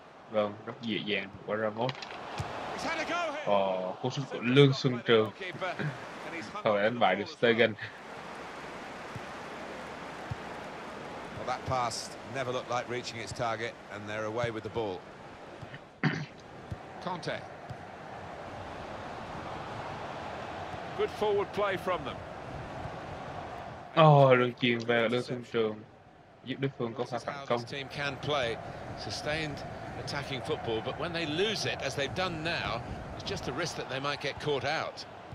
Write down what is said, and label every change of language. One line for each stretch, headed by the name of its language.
Vietnamese: Vâng, rất dễ dàng vượt qua Ramos. Ồ, cú sút của Lương Xuân Trường. Không thể đánh bại được Stegen.
English: Well, that pass never looked like reaching its target and they're away with the ball. Conte. Good forward play from them.
Vietnamese: Ồ, được chuyền về Lương Xuân Trường. Giúp đối phương có pha phản công.
English: Team can play sustained attacking football, but when they lose it as they've done now, it's just a risk that they might get caught out.